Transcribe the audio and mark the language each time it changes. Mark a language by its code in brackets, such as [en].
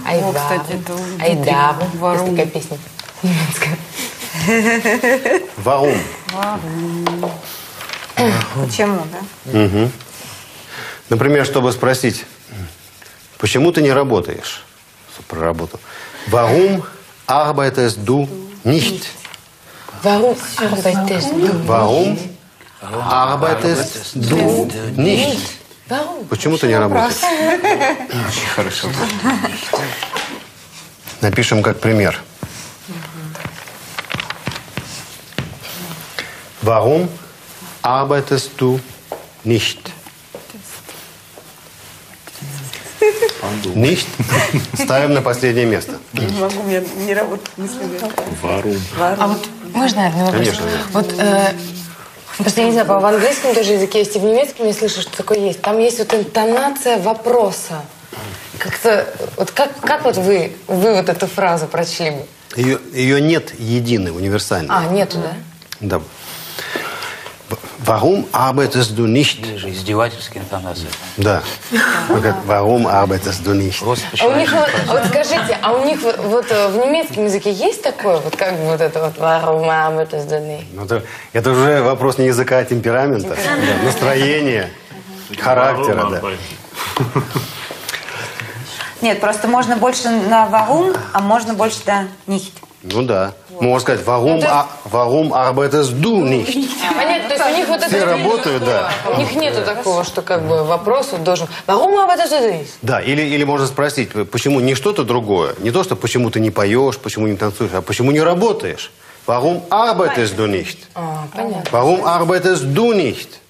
[ru] Айда. Вот, кстати, это айда. [de] Warum? [ru] Есть такая песня немецкая. [de] Warum? [ru] Почему, да? Угу. Например, чтобы спросить, почему ты не работаешь? Про работу. [de] Warum arbeitest du nicht? Warum arbeitest du nicht? Warum arbeitest du nicht? [ru] Почему ты не работаешь? Очень хорошо. Напишем как пример. [de] Warum arbeitest du nicht? Nicht? [ru] Ставим на последнее место. [de] Warum [ru] я не работаю? [de] Warum? [ru] А вот можно одну вопрос? Конечно. Вот, просто я не знаю, в английском тоже языке есть, и в немецком я слышу, что такое есть. Там есть вот интонация вопроса. Как-то, вот как вот вы вот эту фразу прочли бы? Ее нет единой, универсальной. А, нету, да? Да. [de] Warum arbeitest du nicht? [ru] Издевательские интонации. Да. [de] Warum arbeitest du nicht? [ru] А у них, вот скажите, а у них вот в немецком языке есть такое, вот как вот это вот [de] warum arbeitest du nicht? [ru] Ну, это уже вопрос не языка, а темперамента, да, настроения, характера. Да. Нет, просто можно больше на warum, а можно больше на nicht. Ну да. Можно сказать, warum, ну, есть... [de] warum arbeitest du nicht? [ru] Понятно, то есть у них вот это... Все работают, да. У них нету такого, что как бы вопрос вот должен... [de] Warum arbeitest du nicht? [ru] Да, или можно спросить, почему не что-то другое, не то, что почему ты не поешь, почему не танцуешь, а почему не работаешь? [de] Warum arbeitest du nicht? [ru] А, понятно. [de] Warum arbeitest du nicht?